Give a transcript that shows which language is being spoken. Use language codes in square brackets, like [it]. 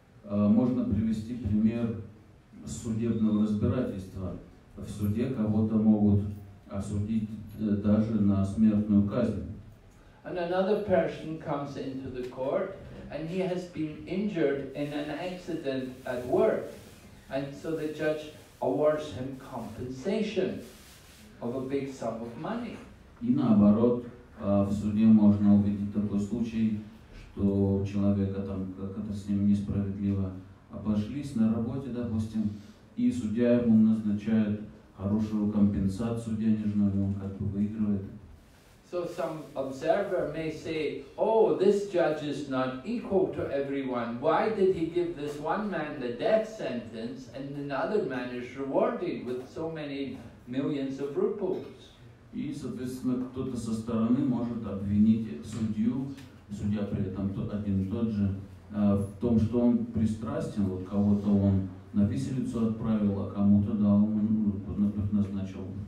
[ru] Можно привести пример судебного разбирательства. В суде кого-то могут осудить даже на смертную казнь. [en] And another person comes into the court, and he has been injured in an accident at work, and so the judge awards him compensation of a big sum of money. [ru] И наоборот, в суде можно увидеть такой случай, что человека там как-то с ним несправедливо обошлись на работе, допустим, и судья ему назначает хорошую компенсацию денежную, он как бы выигрывает. [en] So some observer may say, oh, this judge is not equal to everyone. Why did he give this one man the death sentence and another man is rewarded with so many millions of rupees? [ru] И, соответственно, кто-то со стороны может обвинить судью, судья при этом один и тот же, в том, что он пристрастен, вот кого-то он на виселицу отправил, а кому-то дал, ну, назначил.